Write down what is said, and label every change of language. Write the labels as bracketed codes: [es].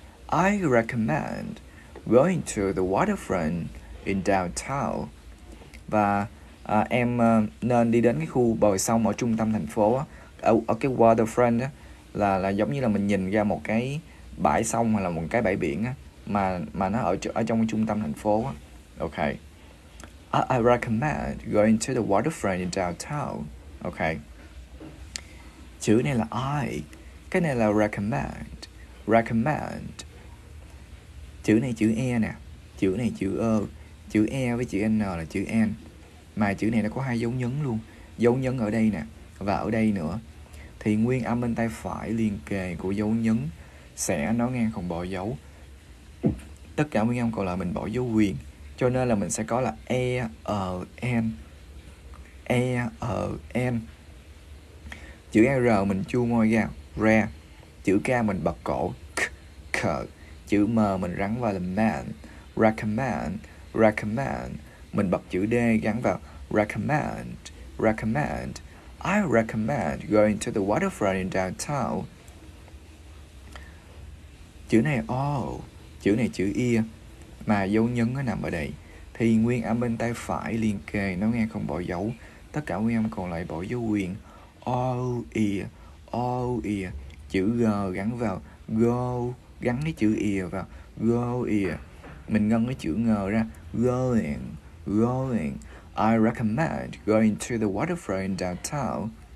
[en] I recommend going to the waterfront in downtown. [vi] Và em nên đi đến cái khu bờ sông ở trung tâm thành phố. Ở cái waterfront á, là giống như là mình nhìn ra một cái bãi sông hoặc là một cái bãi biển á, mà nó ở trong cái trung tâm thành phố á. Okay. [en] I recommend going to the waterfront in downtown. [vi] Okay. Chữ này là I. Cái này là recommend. Recommend. Chữ này chữ E nè. Chữ này chữ O. Chữ E với chữ N là chữ N. Mà chữ này nó có hai dấu nhấn luôn. Dấu nhấn ở đây nè. Và ở đây nữa. Thì nguyên âm bên tay phải liền kề của dấu nhấn sẽ nói ngang không bỏ dấu. Tất cả nguyên âm còn lại mình bỏ dấu huyền. Cho nên là mình sẽ có là E, O, N. E, O, N. Chữ R mình chu môi ra, ra. Chữ K mình bật cổ, k, k. Chữ M mình rắn vào là man. [en] Recommend, recommend. [vi] Mình bật chữ D gắn vào [en] recommend, recommend. I recommend going to the waterfront in downtown. [vi] Chữ này O, oh. Chữ này chữ I. Mà dấu nhấn nó nằm ở đây. Thì nguyên âm bên tay phải liền kề, nó nghe không bỏ dấu. Tất cả nguyên âm còn lại bỏ dấu huyền. [en] All ear, all ear. [vi] Chữ G gắn vào go. Gắn cái chữ ear vào go ear. Mình ngân cái chữ ng ra. [en] Going, going. I recommend going to the waterfront in downtown.